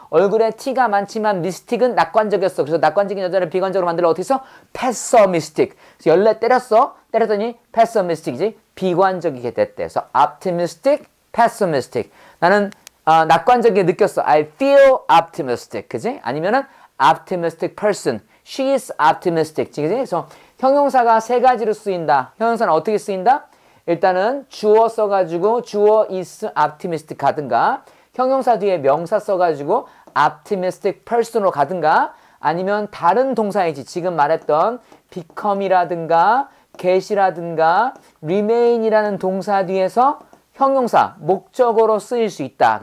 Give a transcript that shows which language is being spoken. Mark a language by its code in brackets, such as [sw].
[ko] 얼굴에 티가 많지만 미스틱은 낙관적이었어. 그래서 낙관적인 여자를 비관적으로 만들려 어떻게 했어? [en] pessimistic. [ko] 그래서 열레 때렸어. 때렸더니 pessimistic이지. 비관적이게 됐대. 그래서 optimistic, [en] pessimistic. [ko] 나는 낙관적이게 느꼈어. [en] I feel optimistic. [ko] 그지? 아니면은 [en] optimistic person. She is optimistic. [ko] 그지? 그래서 형용사가 세 가지로 쓰인다. 형용사는 어떻게 쓰인다? 일단은 주어 써가지고 주어 is optimistic 가든가, 형용사 뒤에 명사 써가지고 optimistic person으로 가든가, 아니면 다른 동사이지. 지금 말했던 become이라든가 get이라든가 remain이라는 동사 뒤에서 형용사, 목적어로 쓰일 수 있다.